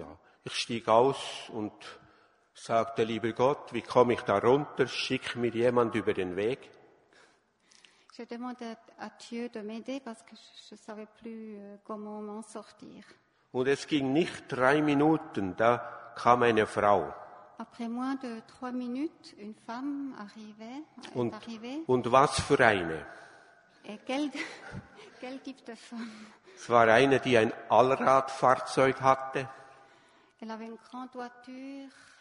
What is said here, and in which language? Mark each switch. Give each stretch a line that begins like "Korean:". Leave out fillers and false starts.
German: Ja, ich stieg aus und sagte, lieber Gott, wie komme ich da runter? Schick mir jemand über den Weg.
French: Je demande à Dieu de m'aider parce que je savais plus comment m'en sortir.
German: Und es ging nicht 3 Minuten, da kam eine Frau.
French: Après moins de 3 minutes, une femme arrivait.
German: Und was für eine?
French: Et quel type de femme?
German: Es war eine, die ein Allradfahrzeug hatte.
French: Elle avait une grande voiture.